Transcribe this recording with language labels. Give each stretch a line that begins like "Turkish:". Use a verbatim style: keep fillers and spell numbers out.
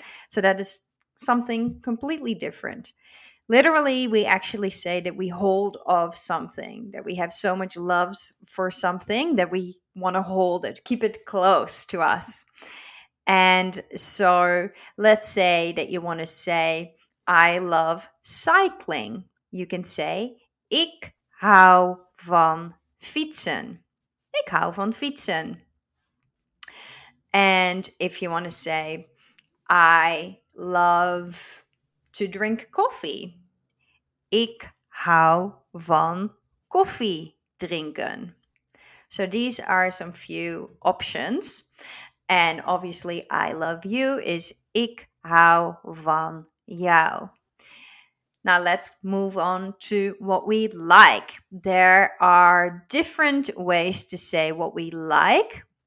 English: So that is something completely different. Literally, we actually say that we hold of something, that we have so much love for something that we want to hold it, keep it close to us. And so let's say that you want to say, I love cycling. You can say,
Dutch: ik hou van fietsen. Ik hou van fietsen.
English: And if you want to say, I love to drink coffee.
Dutch: Ik hou van koffie drinken.
English: So these are some few options. And obviously, I love you is
Dutch: ik hou van jou.
English: Now, let's move on to what we like. There are different ways to say what we like.